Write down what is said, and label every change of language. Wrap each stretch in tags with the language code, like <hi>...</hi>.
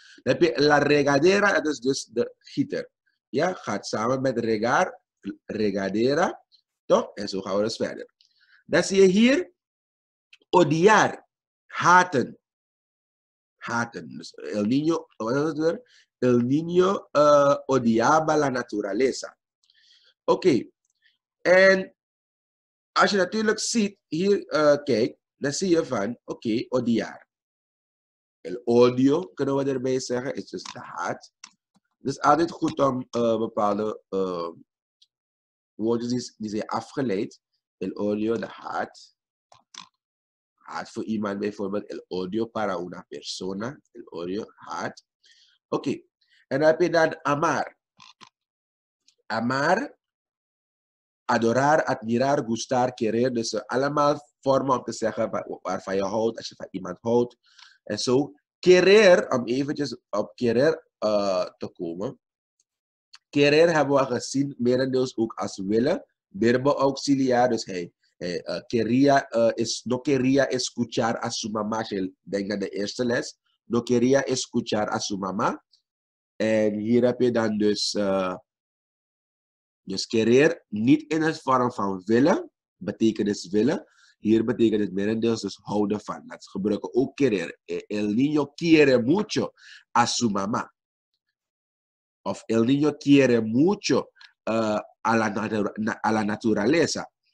<nl>Dan heb je la regadera, dat is dus de gieter. Ja, gaat samen met regar, regadera, toch? En zo gaan we dus verder. Dan zie je hier, odiar, haten. Haten, dus</nl> <es>el niño,</es> <nl>wat is het weer?</nl> <es>El niño odiaba la naturaleza.</es> <nl>Oké, en als je natuurlijk ziet, hier kijk, dan zie je van, oké, odiar.</nl> <es>El odio,</es> <nl>kunnen we erbij zeggen, is dus de haat. Het is altijd goed om bepaalde woordjes die zijn afgeleid.</nl> <es>El odio,</es> <nl>de haat. Haat voor iemand bijvoorbeeld.</nl> <es>El odio para una persona. El odio, haat. Oké.</es> <nl>En dan heb je dan amar. Amar.</nl> <es>Adorar, admirar, gustar, querer.</es> <nl>Dus allemaal vormen om te zeggen waarvan je houdt, als je van iemand houdt. En zo. Querer, om eventjes op querer. Te komen. Querer hebben we gezien, merendeels ook als willen. Verbo auxiliar, dus</nl> <es>no quería escuchar a su mamá,</es> <nl>als je denkt aan de eerste les.</nl> <es>No quería escuchar a su mamá.</es> <nl>En hier heb je dan dus querer, niet in het vorm van willen, betekenis willen. Hier betekent het merendeels dus houden van. Dat gebruiken ook querer.</nl> <es>El niño quiere mucho a su mamá. Of el niño quiere mucho a la naturaleza.</es>